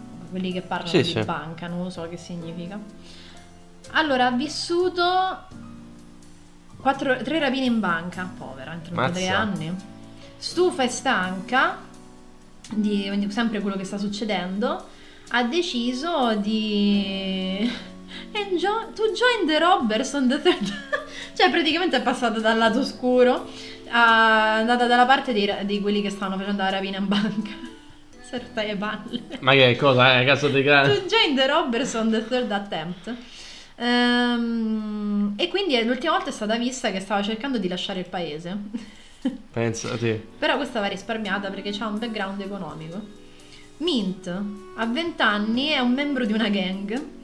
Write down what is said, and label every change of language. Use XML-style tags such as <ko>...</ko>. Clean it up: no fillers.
<it>Quelli che parlano di banca, non lo so che significa. Allora, ha vissuto 3 rapine in banca, povera, in 33 anni. Stufa e stanca di sempre quello che sta succedendo, ha deciso di...</it> <en>to join the robbers on the third...</en> <it>cioè, praticamente è passata dal lato oscuro, è andata dalla parte di quelli che stanno facendo la rapina in banca. Certe balle. Ma che cosa, è cazzo di grande.</it> <en>To join the robbers on the third attempt.</en> <it>E quindi l'ultima volta è stata vista che stava cercando di lasciare il paese. Pensati. Però questa va risparmiata perché c'ha un background economico. Mint, a 20 anni, è un membro di una gang.</it>